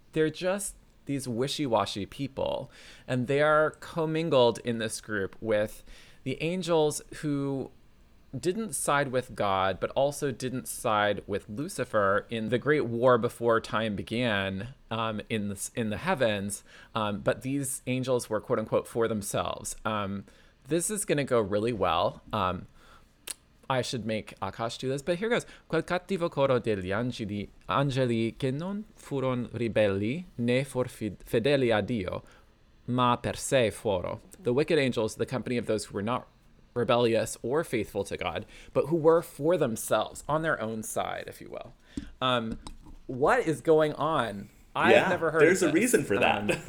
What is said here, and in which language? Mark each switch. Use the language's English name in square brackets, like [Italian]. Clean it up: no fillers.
[English] They're just these wishy-washy people, and they are commingled in this group with the angels who didn't side with God, but also didn't side with Lucifer in the great war before time began in the heavens. But these angels were, quote unquote, for themselves. This is going to go really well. I should make Akash do this, but here goes. [Italian] Quel cattivo coro degli angeli che non furon ribelli né for fedeli a Dio, ma per se foro. [English] The wicked angels, the company of those who were not rebellious or faithful to God, but who were for themselves, on their own side, if you will. What is going on? I've never heard of this. There's a reason for that.